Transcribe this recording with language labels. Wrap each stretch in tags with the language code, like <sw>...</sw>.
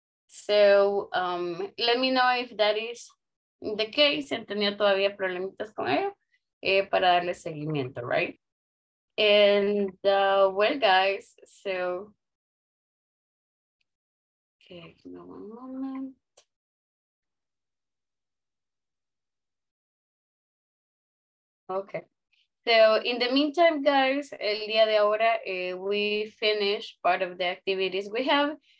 <en>So let me know if that is the case.</en> <es>Han tenido todavía problemitas con ello para darle seguimiento,</es> <en>right? And well, guys, so okay, give me one moment. Okay, so in the meantime, guys,</en> <es>el día de ahora</es> <en>we finished part of the activities we have.</en>